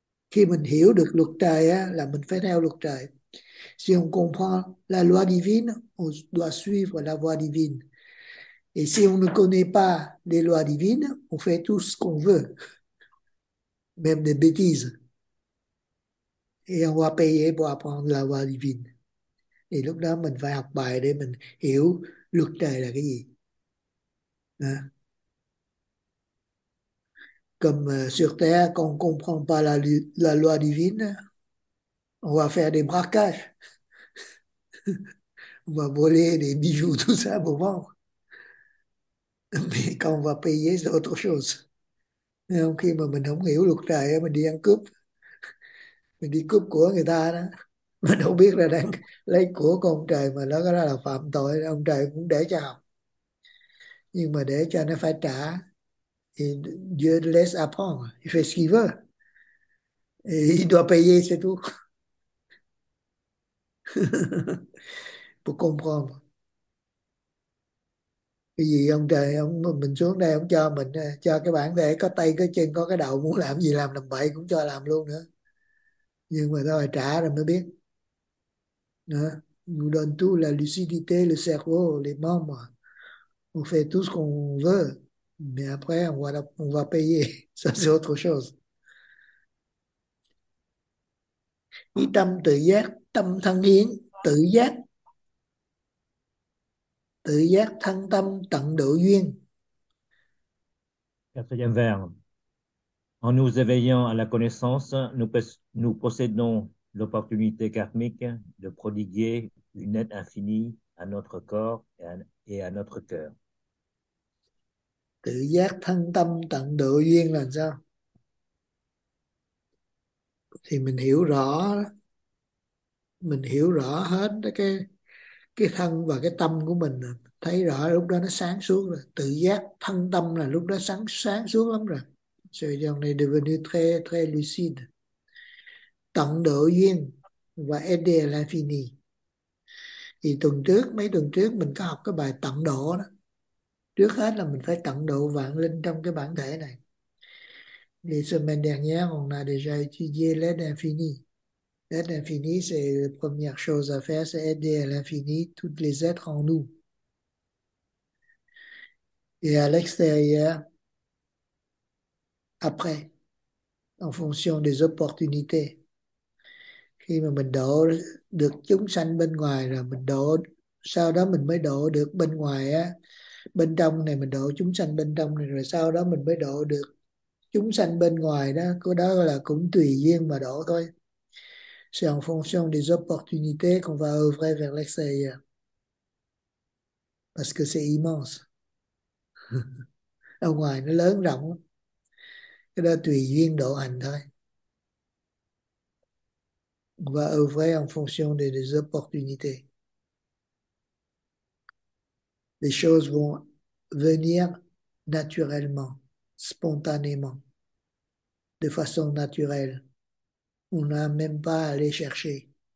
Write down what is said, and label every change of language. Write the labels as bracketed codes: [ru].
[vi] Khi mình hiểu được luật trời á, là mình phải theo luật trời. [fr] Si on comprend la loi divine, on doit suivre la voie divine. Et si on ne connaît pas les lois divines, on fait tout ce qu'on veut. Même des bêtises. Et on va payer pour apprendre la voie divine. [vi] Et lúc đó mình phải học bài để mình hiểu luật trời là cái gì. [fr] Comme sur Terre, quand on ne comprend pas la loi divine, on va faire des braquages. On va voler des bijoux, tout ça, pour vendre. Mais quand on va payer, c'est autre chose. [vi] Mais khi mà mình không hiểu luật trời, mình đi ăn cướp. Mình đi cướp của người ta mà đâu biết là đang lấy của của ông trời mà nó có ra là phạm tội, ông trời cũng để cho học, nhưng mà để cho nó phải trả thì [fr] Dieu laisse apprendre, il fait ce qu'il veut, il doit payer, c'est tout. Pour comprendre. [vi] Cái gì ông trời ông mình xuống đây ông cho mình cho cái bản thể có tay có chân có cái đầu, muốn làm gì làm bậy cũng cho làm luôn nữa, nhưng mà thôi trả rồi mới biết nữa. [fr] Nous donne tout, la lucidité, le cerveau, les membres, on fait tout ce qu'on veut, mais après on va payer, ça c'est autre chose. [vi] Y tâm tự giác, tâm thân hiến, tự giác, tự giác thân tâm tận độ duyên. [fr] Quatrième vers. En nous éveillant à la connaissance, nous possédons l'opportunité karmique de prodiguer une aide infinie à notre corps et à notre cœur. [vi] Tự giác thân tâm tận độ duyên là sao? Thì mình hiểu rõ, mình hiểu rõ hết cái thân và cái tâm của mình, thấy rõ lúc đó nó sáng suốt rồi. Tự giác thân tâm là lúc đó sáng sáng suốt lắm rồi. Sự dòng này [fr] devenu très très lucide. [vi] Tận độ duyên và [fr] aider l'infini. [vi] Thì tuần trước, mấy tuần trước mình có học cái bài tận độ đó. Trước hết là mình phải tận độ vạn linh trong cái bản thể này. [fr] Les semaines dernières, on a déjà étudié l'aide infinie. L'aide infinie, c'est la première chose à faire, c'est aider à l'infini tous les êtres en nous. Et à l'extérieur, après, en fonction des opportunités. [vi] Khi mà mình độ được chúng sanh bên ngoài rồi, mình độ, sau đó mình mới độ được bên ngoài á, bên trong này mình độ chúng sanh bên trong này, rồi sau đó mình mới độ được chúng sanh bên ngoài đó, có đó là cũng tùy duyên mà độ thôi. [fr] C'est en fonction des opportunités qu'on va œuvrer vers l'extérieur. Parce que c'est immense. [vi] Ở ngoài nó lớn rộng. Cái đó tùy duyên độ hành thôi. [fr] Và œuvrer en fonction des opportunités. Les choses vont venir naturellement, spontanément, de façon naturelle. On n'a même pas à aller chercher.